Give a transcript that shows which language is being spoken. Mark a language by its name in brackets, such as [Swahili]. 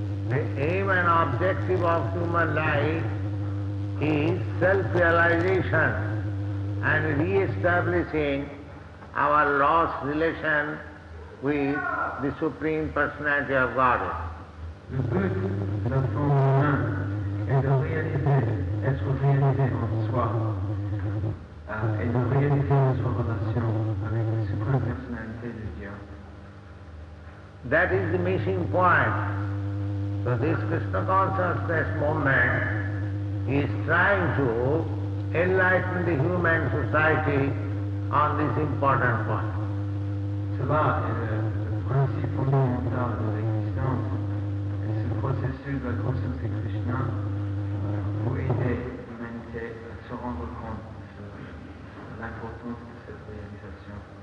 [English] The aim and objective of human life is self-realization and re-establishing our lost relation with the Supreme Personality of Godhead. [French] Le but de la forme humaine est de réaliser, être réalisé en soi, et de réaliser en soi relation avec la Supreme Personnalité de Dieu. [English] That is the missing point. So this Krishna consciousness movement is trying to enlighten the human society on this important point. [French] Cela est le principe fondamental de l'existence. Et ce processus de la conscience de Krishna pour aider l'humanité à se rendre compte de l'importance de cette réalisation.